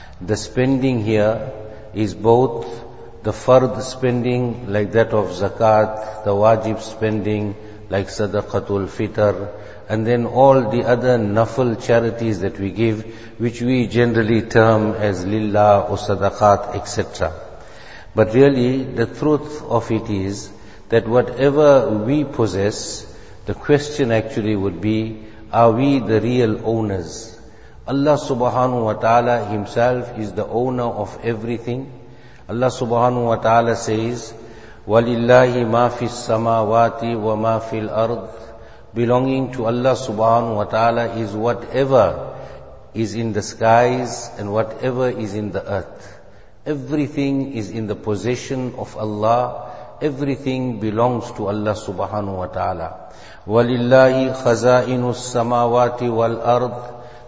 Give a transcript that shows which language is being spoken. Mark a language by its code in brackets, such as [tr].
[en] The spending here is both the fard spending, like that of zakat, the wajib spending, like sadaqatul fitr, and then all the other nafal charities that we give, which we generally term as lillah or sadaqat, etc. But really, the truth of it is that whatever we possess, the question actually would be, are we the real owners? Allah subhanahu wa ta'ala himself is the owner of everything. Allah subhanahu wa ta'ala says, [ar] وَلِلَّهِ مَا فِي السَّمَاوَاتِ وَمَا فِي الْأَرْضِ. [en] Belonging to Allah subhanahu wa ta'ala is whatever is in the skies and whatever is in the earth. Everything is in the possession of Allah. Everything belongs to Allah subhanahu wa ta'ala. [ar] وَلِلَّهِ خَزَائِنُ السَّمَاوَاتِ وَالْأَرْضِ.